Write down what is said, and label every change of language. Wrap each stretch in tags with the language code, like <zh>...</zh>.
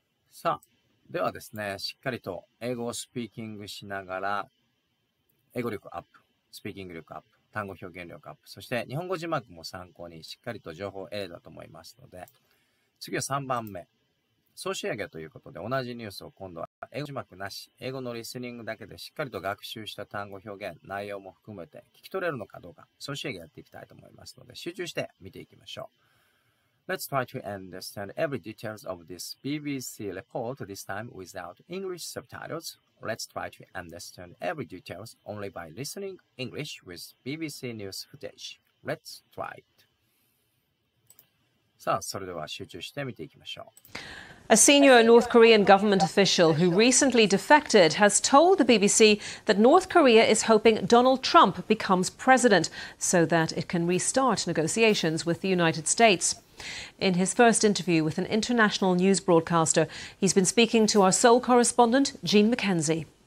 <ja>さあ、ではですね、しっかりと英語をスピーキングしながら、英語力アップ、スピーキング力アップ、単語表現力アップ、そして日本語字幕も参考にしっかりと情報を得たと思いますので、次は3番目。総仕上げということで、同じニュースを今度は英語字幕なし、英語のリスニングだけでしっかりと学習した単語表現、内容も含めて聞き取れるのかどうか、総仕上げやっていきたいと思いますので、集中して見ていきましょう。</ja> <en>Let's try to understand every details of this BBC report, this time without English subtitles. Let's try to understand every details only by listening English with BBC news footage. Let's try it.</en> <ja>さあ、それでは集中して見ていきましょう。</ja> <en>A senior North Korean government official who recently defected has told the BBC that North Korea is hoping Donald Trump becomes president so that it can restart negotiations with the United States. In his first interview with an international news broadcaster, he's been speaking to our Seoul correspondent, Jean McKenzie.</en>